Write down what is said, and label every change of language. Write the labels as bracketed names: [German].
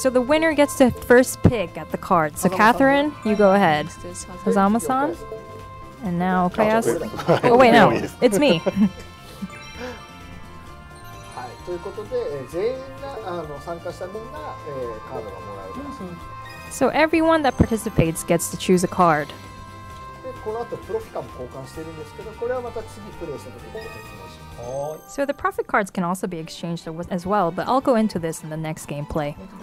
[English] So the winner gets the first pick at the card. So Catherine, you go ahead. Hazama-san. And now Kayas. Oh wait, no, it's me. [Japanese] ということで、全員があの参加した分が、カードがもらえる。 [English] So everyone that participates gets to choose a card. [Japanese] で、この後プロフィカも交換してるんですけど、これはまた次プレイした時に。 [English] So the profit cards can also be exchanged as well, but I'll go into this in the next gameplay.